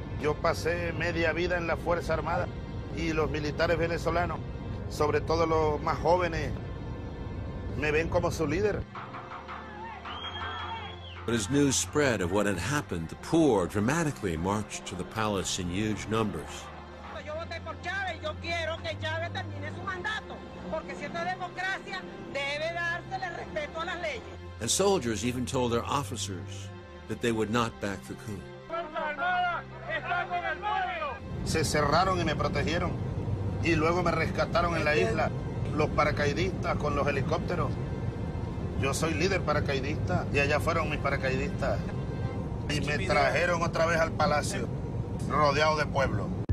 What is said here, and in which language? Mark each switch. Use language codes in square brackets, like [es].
[es] Yo pasé media vida en la Fuerza Armada y los militares venezolanos, sobre todo los más jóvenes, me ven como su líder. [en] But as news spread of what had happened, the poor dramatically marched to the palace in huge numbers. [es] Yo voté por Chávez. Yo quiero que Chávez termine su mandato, porque si esta democracia debe dársele respeto a las leyes. [en] And soldiers even told their officers that they would not back the coup. [es] Se cerraron y me protegieron, y luego me rescataron en la isla los paracaidistas con los helicópteros. Yo soy líder paracaidista, y allá fueron mis paracaidistas. Y me trajeron otra vez al palacio, rodeado de pueblo.